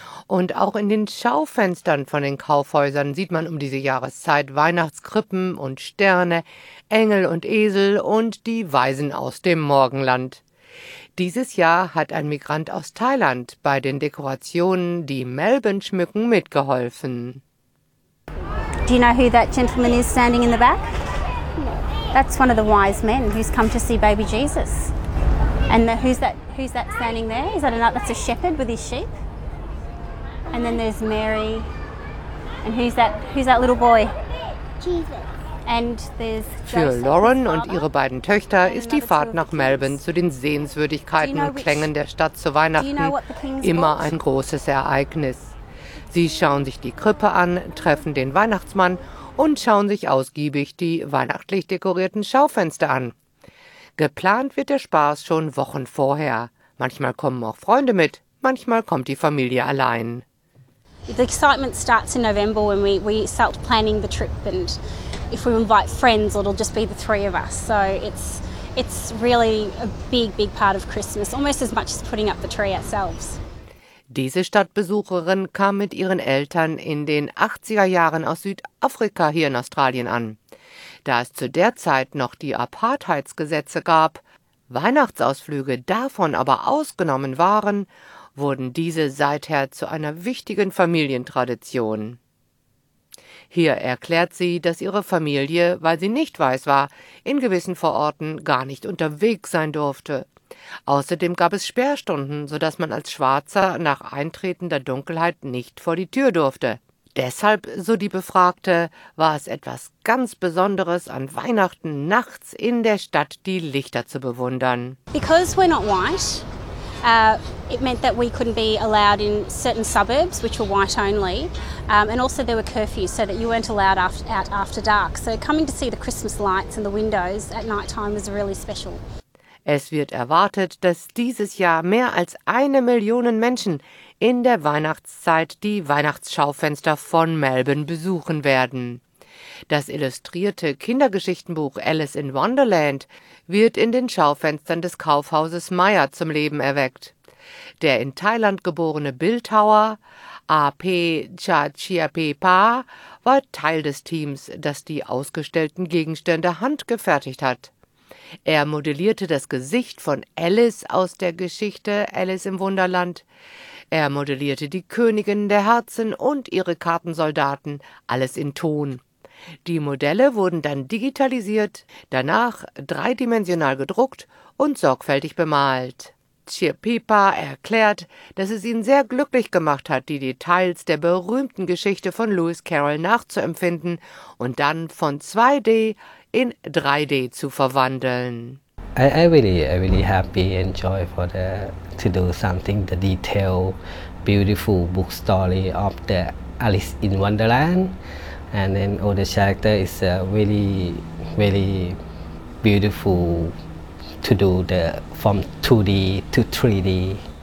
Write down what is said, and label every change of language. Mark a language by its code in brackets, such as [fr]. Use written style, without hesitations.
[de] Und auch in den Schaufenstern von den Kaufhäusern sieht man um diese Jahreszeit Weihnachtskrippen und Sterne, Engel und Esel und die Weisen aus dem Morgenland. Dieses Jahr hat ein Migrant aus Thailand bei den Dekorationen, die Melbourne schmücken, mitgeholfen. [en] Do you know who that gentleman is standing in the back? That's one of the wise men who's come to see baby Jesus. And who's that standing there? Is that another? That's a shepherd with his sheep. And then there's Mary. And who's that little boy? Jesus. [de] Für Lauren und ihre beiden Töchter ist die Fahrt nach Melbourne zu den Sehenswürdigkeiten und Klängen der Stadt zu Weihnachten immer ein großes Ereignis. Sie schauen sich die Krippe an, treffen den Weihnachtsmann und schauen sich ausgiebig die weihnachtlich dekorierten Schaufenster an. Geplant wird der Spaß schon Wochen vorher. Manchmal kommen auch Freunde mit, manchmal kommt die Familie allein. [en] The excitement starts in November when we start planning the trip and if we invite friends, it'll just be the three of us. So it's really a big, big part of Christmas, almost as much as putting up the tree ourselves. [de] Diese Stadtbesucherin kam mit ihren Eltern in den 80er Jahren aus Südafrika hier in Australien an. Da es zu der Zeit noch die Apartheidsgesetze gab, Weihnachtsausflüge davon aber ausgenommen waren, wurden diese seither zu einer wichtigen Familientradition. Hier erklärt sie, dass ihre Familie, weil sie nicht weiß war, in gewissen Vororten gar nicht unterwegs sein durfte. Außerdem gab es Sperrstunden, sodass man als Schwarzer nach eintretender Dunkelheit nicht vor die Tür durfte. Deshalb, so die Befragte, war es etwas ganz Besonderes, an Weihnachten nachts in der Stadt die Lichter zu bewundern. [en] Because we're not white, it meant that we couldn't be allowed in certain suburbs, which were white only. And also there were curfews, so that you weren't allowed out after dark. So coming to see the Christmas lights in the windows at night time was really special. [de] Es wird erwartet, dass dieses Jahr mehr als 1 Million Menschen in der Weihnachtszeit die Weihnachtsschaufenster von Melbourne besuchen werden. Das illustrierte Kindergeschichtenbuch Alice in Wonderland wird in den Schaufenstern des Kaufhauses Meyer zum Leben erweckt. Der in Thailand geborene Bildhauer A.P. Chachiapepa war Teil des Teams, das die ausgestellten Gegenstände handgefertigt hat. Er modellierte das Gesicht von Alice aus der Geschichte Alice im Wunderland. Er modellierte die Königin der Herzen und ihre Kartensoldaten, alles in Ton. Die Modelle wurden dann digitalisiert, danach dreidimensional gedruckt und sorgfältig bemalt. Chirpipa erklärt, dass es ihn sehr glücklich gemacht hat, die Details der berühmten Geschichte von Lewis Carroll nachzuempfinden und dann von 2D in 3D zu verwandeln. [en] I really happy and joy for the to do something the detail beautiful book story of the Alice in Wonderland. And then all the character is really, really beautiful to do the from 2D to 3D.